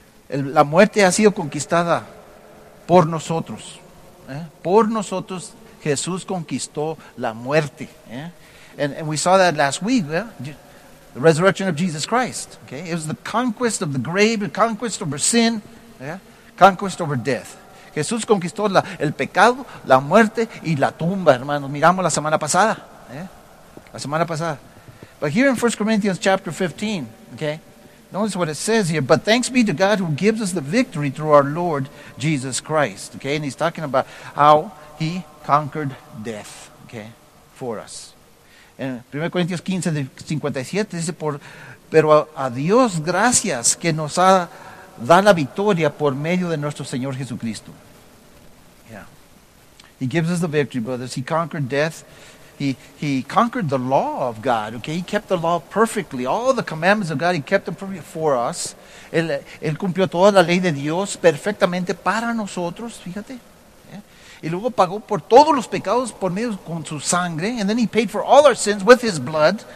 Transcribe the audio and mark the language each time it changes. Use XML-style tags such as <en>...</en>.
<es>La muerte ha sido conquistada por nosotros. Por nosotros, Jesús conquistó la muerte.</es> <en>And we saw that last week, yeah? The resurrection of Jesus Christ. Okay? It was the conquest of the grave, the conquest over sin, yeah? Conquest over death.</en> <es>Jesús conquistó el pecado, la muerte y la tumba, hermanos. Miramos la semana pasada.</es> <en>Yeah?</en> <es>La semana pasada.</es> <en>But here in 1 Corinthians chapter 15, okay? Notice what it says here. But thanks be to God who gives us the victory through our Lord Jesus Christ. Okay? And he's talking about how he conquered death, okay, for us.</en> <es>En 1 Corintios 15, 57 dice, pero a Dios gracias que nos ha dado la victoria por medio de nuestro Señor Jesucristo.</es> <en>Yeah. He gives us the victory, brothers. He conquered death. He conquered the law of God, okay? He kept the law perfectly. All the commandments of God, he kept them perfectly for us.</en> <es>Él cumplió toda la ley de Dios perfectamente para nosotros, fíjate. Y luego pagó por todos los pecados por medio con su sangre.</es> <en>And then he paid for all our sins with his blood.</en>